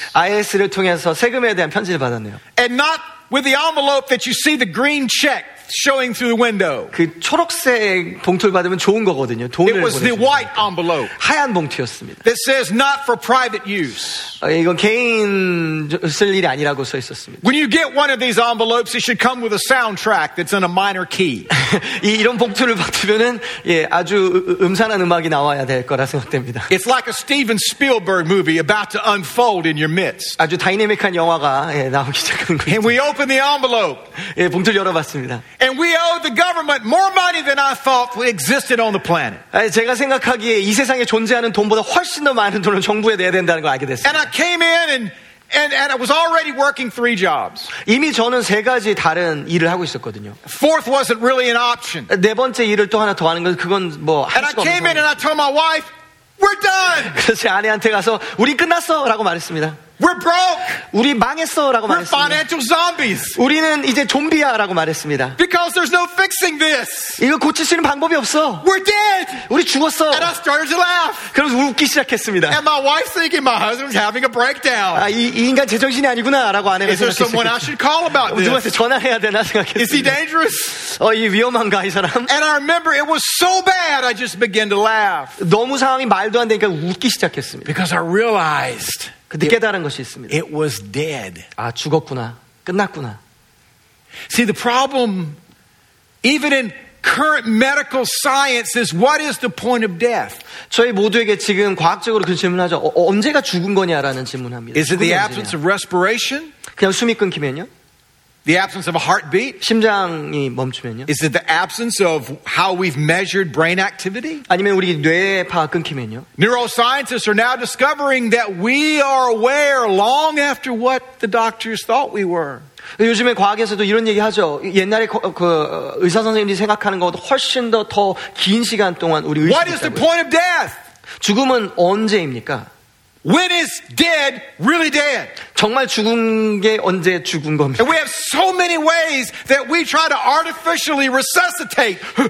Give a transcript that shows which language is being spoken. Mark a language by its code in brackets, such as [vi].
[ko] IRS를 통해서 세금에 대한 편지를 받았네요. [en] And not with the envelope that you see the green check showing through the window. [ko] 그 초록색 봉투를 받으면 좋은 거거든요. 돈을 [en] It was the white envelope. [ko] 하얀 봉투였습니다. [en] That says not for private use. [ko] 이건 개인 쓸 일이 아니라고 써 있었습니다. [en] When you get one of these envelopes, it should come with a soundtrack that's in a minor key. [ko] 이런 봉투를 받으면은 예 아주 음산한 음악이 나와야 될 거라 생각됩니다. [en] It's like a Steven Spielberg movie about to unfold in your midst. [ko] 아주 다이내믹한 영화가 예, 나오기 시작하는 거예요. [en] And we open the envelope. [ko] 예 봉투를 열어봤습니다. [en] And we owe the government more money than I thought existed on the planet. [ko] 제가 생각하기에 이 세상에 존재하는 돈보다 훨씬 더 많은 돈을 정부에 내야 된다는 걸 알게 됐습니다. [en] I came in and I was already working three jobs. [ko] 이미 저는 세 가지 다른 일을 하고 있었거든요. [en] Fourth wasn't really an option. [ko] 네 번째 일을 또 하나 더 하는 건 그건 뭐 할 수 없는 [en] And I came in and I told my wife, "We're done." [ko] 그래서 제 아내한테 가서 우리 끝났어라고 말했습니다. [en] We're broke. [ko] 우리 망했어라고 [en] We're [ko] 말했습니다. [en] We're financial zombies. [ko] 우리는 이제 좀비야라고 말했습니다. [en] Because there's no fixing this. [ko] 이거 고칠 수 있는 방법이 없어. [en] We're dead. [ko] 우리 죽었어. [en] And I started to laugh. [ko] 그러면서 웃기 시작했습니다. [en] And my wife's thinking my husband's having a breakdown. [ko] 아, 이 인간 제정신이 아니구나라고 아내가 생각했습니다. [en] Is there someone I should call about this? [ko] 누구한테 전화해야 되나 생각했습니다. [en] Is he dangerous? [ko] 이 위험한가 이 사람? [en] And I remember it was so bad I just began to laugh. [ko] 너무 상황이 말도 안 되니까 웃기 시작했습니다. [en] Because I realized. [ko] 그때 깨달은 것이 있습니다. [en] It was dead. [ko] 아 죽었구나. 끝났구나. [en] See the problem even in current medical science is what is the point of death? [ko] 저희 모두에게 지금 과학적으로 그 질문을 하죠. 언제가 죽은 거냐라는 질문합니다. [en] Is it the absence of respiration? [ko] 그냥 숨이 끊기면요? [en] The absence of a heartbeat? [ko] 심장이 멈추면요? [en] Is it the absence of how we've measured brain activity? [ko] 아니면 우리 뇌의 파악 끊기면요? [en] Neuroscientists are now discovering that we are aware long after what the doctors thought we were. [ko] 요즘에 과학에서도 이런 얘기하죠. 옛날에 그 의사 선생님들이 생각하는 것보다 훨씬 더 긴 시간 동안 우리 의식이 [en] What is the point of death? [ko] 죽음은 언제입니까? [en] When is dead really dead? [ko] 정말 죽은 게 언제 죽은 겁니까? [en] And we have so many ways that we try to artificially resuscitate.